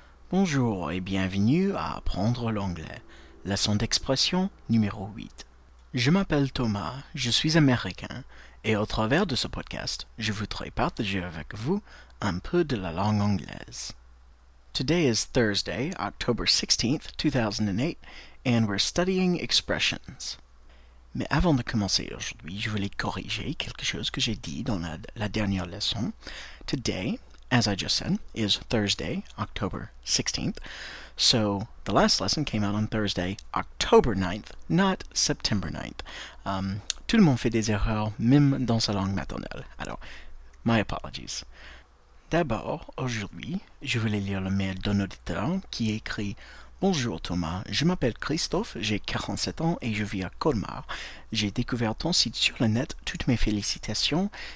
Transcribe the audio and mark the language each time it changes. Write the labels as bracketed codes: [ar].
[fr] Bonjour et bienvenue à Apprendre l'anglais, leçon d'expression numéro 8. Je m'appelle Thomas, je suis américain, et au travers de ce podcast, je voudrais partager avec vous un peu de la langue anglaise. [en] Today is Thursday, October 16th, 2008, and we're studying expressions. [fr] Mais avant de commencer aujourd'hui, je voulais corriger quelque chose que j'ai dit dans la dernière leçon. [en] Today, as I just said, is Thursday, October 16th. So, the last lesson came out on Thursday, October 9th, not September 9th. [fr] Tout le monde fait des erreurs, même dans sa langue maternelle. Alors, [en] my apologies. [fr] D'abord, aujourd'hui, je voulais lire le mail d'un auditeur qui écrit « Bonjour Thomas, je m'appelle Christophe, j'ai 47 ans et je vis à Colmar. J'ai découvert ton site sur le net, toutes mes félicitations.